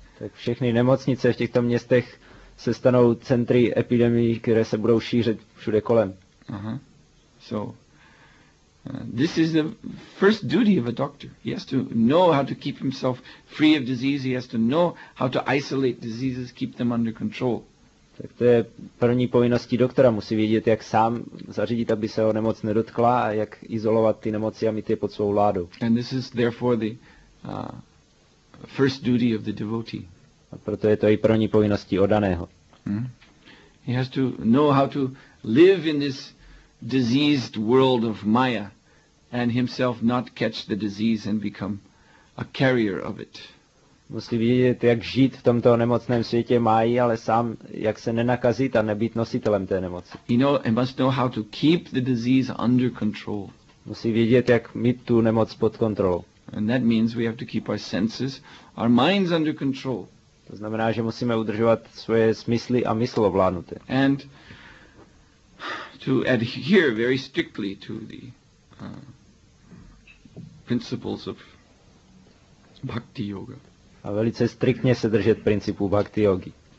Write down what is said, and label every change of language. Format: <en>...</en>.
<cs>Tak všechny nemocnice v těchto městech se stanou centry epidemií, které se budou šířit všude kolem.</cs> <en>So this is the first duty of a doctor. He has to know how to keep himself free of disease. He has to know how to isolate diseases, keep them under control.</en> <cs>Tak to je první povinností doktora. Musí vědět, jak sám zařídit, aby se ho nemoc nedotkla a jak izolovat ty nemoci a mít je pod svou vládou.</cs> <en>And this is therefore the first duty of the devotee.</en> <cs>A proto je to i pro ní povinností oddaného.</cs> <en>He has to know how to live in this diseased world of Maya and himself not catch the disease and become a carrier of it.</en> <cs>Musí vědět, jak žít v tomto nemocném světě Mayi, ale sám, jak se nenakazit a nebýt nositelem té nemoci.</cs> <en>You know, he must know how to keep the disease under control.</en> <cs>Musí vědět, jak mít tu nemoc pod kontrolou.</cs> <en>And that means we have to keep our senses, our minds under control.</en> <cs>To znamená, že musíme udržovat svoje smysly a mysl ovládnuté.</cs> <en>And to adhere very strictly to the principles of bhakti yoga.</en> <cs>A velice striktně se držet principů bhakti yogi.</cs>